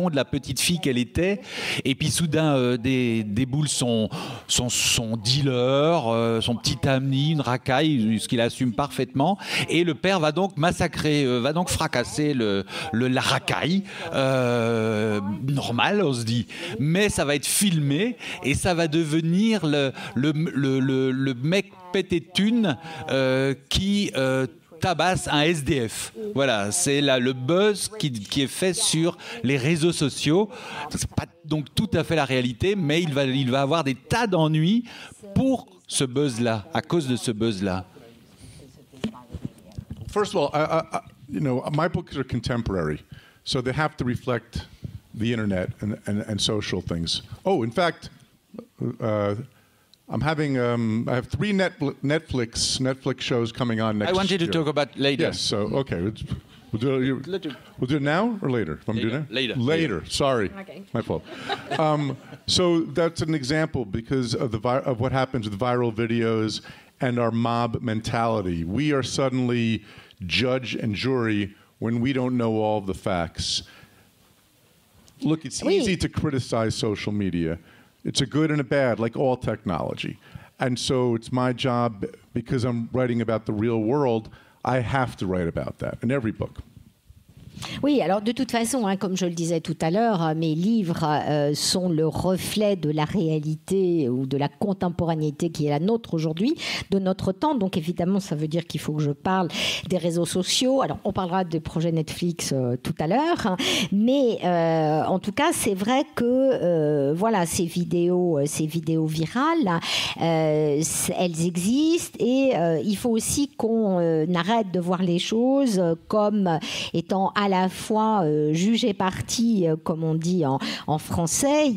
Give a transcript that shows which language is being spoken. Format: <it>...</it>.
<fr>De la petite fille qu'elle était, et puis soudain déboule son dealer, son petit ami, une racaille, ce qu'il assume parfaitement, et le père va donc massacrer, va donc fracasser la racaille, normal on se dit, mais ça va être filmé et ça va devenir le mec pété de thunes qui tabasse un SDF. Voilà, c'est là le buzz qui est fait sur les réseaux sociaux. C'est pas donc tout à fait la réalité, mais il va avoir des tas d'ennuis pour ce buzz-là, à cause de ce buzz-là.</fr> <en>First of all, my books are contemporary, so they have to reflect the internet and social things. Oh, in fact, I'm having. I have three Netflix shows coming on next year. I wanted to talk about later. Yes. So okay, we'll do it now or later. If I'm doing it later. Sorry. Okay. My fault. So that's an example because of of what happens with viral videos and our mob mentality. We are suddenly judge and jury when we don't know all the facts. Look, it's easy to criticize social media. It's a good and a bad, like all technology. And so it's my job, because I'm writing about the real world, I have to write about that in every book.</en> <fr>Oui, alors de toute façon, hein, comme je le disais tout à l'heure, mes livres sont le reflet de la réalité ou de la contemporanéité qui est la nôtre aujourd'hui, de notre temps. Donc évidemment, ça veut dire qu'il faut que je parle des réseaux sociaux. Alors, on parlera des projets Netflix tout à l'heure. Hein, mais en tout cas, c'est vrai que ces vidéos virales, elles existent et il faut aussi qu'on arrête de voir les choses comme étant à la fois jugé parti, comme on dit en français.</fr>